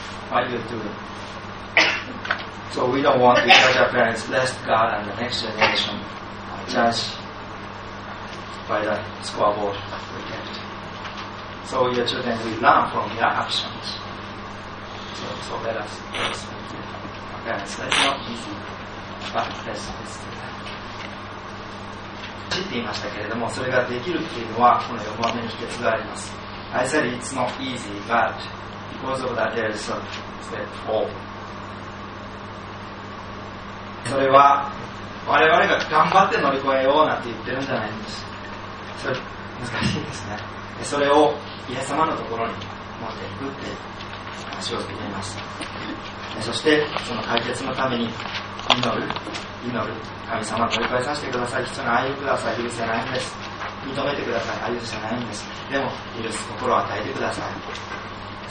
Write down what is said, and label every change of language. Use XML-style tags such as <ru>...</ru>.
<en>What you do? So we don't want to judge our parents, lest God and the next generation judge by the scoreboard we get. So your children will learn from their actions. So let us pray. Okay, so it's not easy, but let's pray.</en> <ja>知っていましたけれども、それができるというのはこの4番目の秘訣があります。</ja> <en>I said it's not easy, but because of that, there is a step four.</en> <ja>それは我々が頑張って乗り越えようなんて言ってるんじゃないんです。それ難しいですね。それをイエス様のところに持っていくって話を聞います。そしてその解決のために祈る、祈る、神様取り返させてください、人の愛をください、許せないんです、認めてください、愛じゃないんです、でも許す心を与えてください。</ja>